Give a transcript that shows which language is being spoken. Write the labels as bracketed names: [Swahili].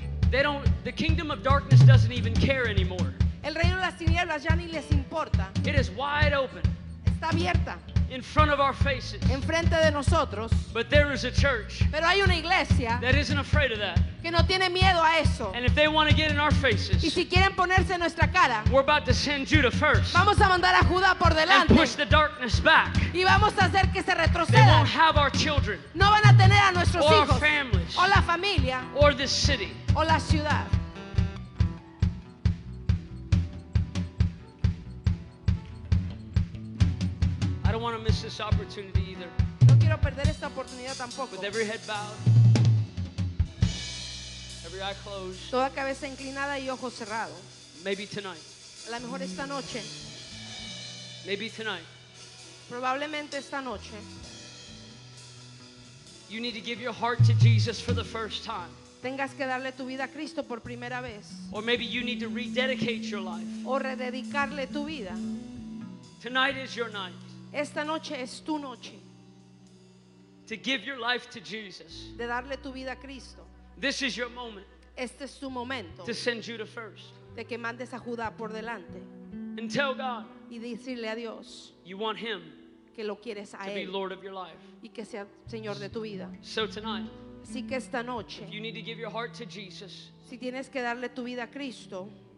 [English] The kingdom of darkness doesn't even care anymore. [Spanish] El reino de las tinieblas ya ni les importa. [English] It is wide open. [Spanish] Está abierta. [English] in front of our faces. [Spanish] Enfrente de nosotros. [English] But there is a church. [Spanish] Pero hay una iglesia. [English] That isn't afraid of that. [Spanish] Que no tiene miedo a eso. [English] And if they want to get in our faces. [Spanish] Y si quieren ponerse en nuestra cara. [English] We're about to send Judah first. [Spanish] Vamos a mandar a Judá por delante. [English] And push the darkness back. [Spanish] Y vamos a hacer que se retrocedan. [English] They won't have our children. [Spanish] No van a tener a nuestros [English] or [Spanish] hijos. [English] Or our families. [Spanish] O la familia. [English] Or this city. [Spanish] O la ciudad. [English] I don't want to miss this opportunity either. [Spanish] No quiero perder esta oportunidad tampoco. [English] With every head bowed, every eye closed. [Spanish] Toda cabeza inclinada y ojo cerrado. [English] Maybe tonight. [Spanish] A lo mejor esta noche. [English] Maybe tonight. [Spanish] Probablemente esta noche. [English] You need to give your heart to Jesus for the first time. [Spanish] Tengas que darle tu vida a Cristo por primera vez. [English] Or maybe you need to rededicate your life. [Spanish] O rededicarle tu vida. [English] Tonight is your night. [Spanish] Esta noche es tu noche. [English] To give your life to Jesus. [Spanish] De darle tu vida a Cristo. [English] This is your moment. [Spanish] Este es tu momento. [English] To send Judah first. [Spanish] De que mandes a Judá por delante. [English] And tell God. [Spanish] Y decirle a Dios. [English] You want him. [Spanish] Que lo quieres a [English] to [Spanish] él. [English] To be Lord of your life. [Spanish] Y que sea Señor de tu vida. [English] So tonight. [Spanish] Así que esta noche. [English] If you need to give your heart to Jesus. [Spanish] Si tienes que darle tu vida a Cristo.